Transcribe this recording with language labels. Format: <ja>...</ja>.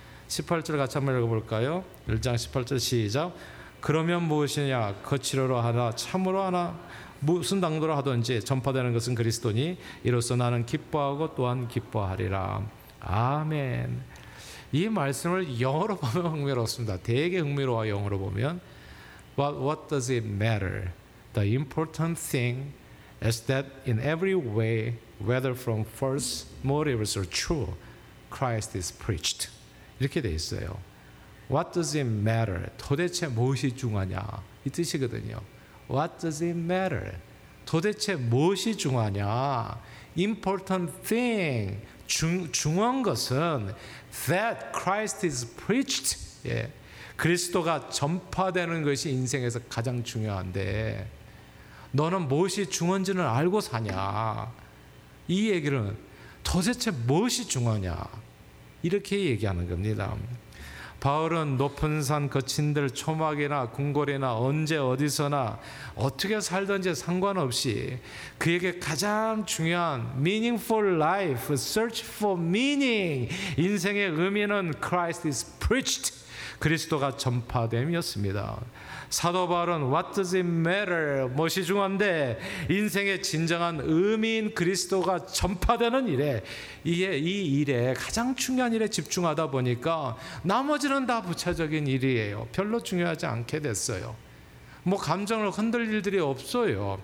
<ko>18절 같이 한번 읽어볼까요? 1장 18절 시작. 그러면 무엇이냐? 거칠어로 하나 참으로 하나 무슨 당도로 하든지 전파되는 것은 그리스도니 이로써 나는 기뻐하고 또한 기뻐하리라. 아멘. 이 말씀을 영어로 보면 흥미롭습니다. 되게 흥미로워요. 영어로 보면</ko> <en>What does it matter? The important thing is that in every way, whether from false motives or true, Christ is preached.</en> <ko>이렇게 돼 있어요.</ko> <en>What does it matter?</en> <ko>도대체 무엇이 중요하냐? 이 뜻이거든요.</ko> <en>What does it matter?</en> <ko>도대체 무엇이 중요하냐?</ko> <en>Important thing.</en> <ko>중요한 것은</ko> <en>that Christ is preached.</en> <ko>예. 그리스도가 전파되는 것이 인생에서 가장 중요한데 너는 무엇이 중요한지는 알고 사냐? 이 얘기는 도대체 무엇이 중요하냐? 이렇게 얘기하는 겁니다. 바울은 높은 산 거친들 초막이나 궁궐이나 언제 어디서나 어떻게 살든지 상관없이 그에게 가장 중요한</ko> <en>meaningful life, search for meaning,</en> <ko>인생의 의미는</ko> <en>Christ is preached,</en> <ko>그리스도가 전파됨이었습니다. 사도 바울은</ko> <en>What does it matter?</en> <ko>무엇이 중요한데 인생의 진정한 의미인 그리스도가 전파되는 일에 이 일에 가장 중요한 일에 집중하다 보니까 나머지는 다 부차적인 일이에요. 별로 중요하지 않게 됐어요. 뭐 감정을 흔들 일들이 없어요.</ko>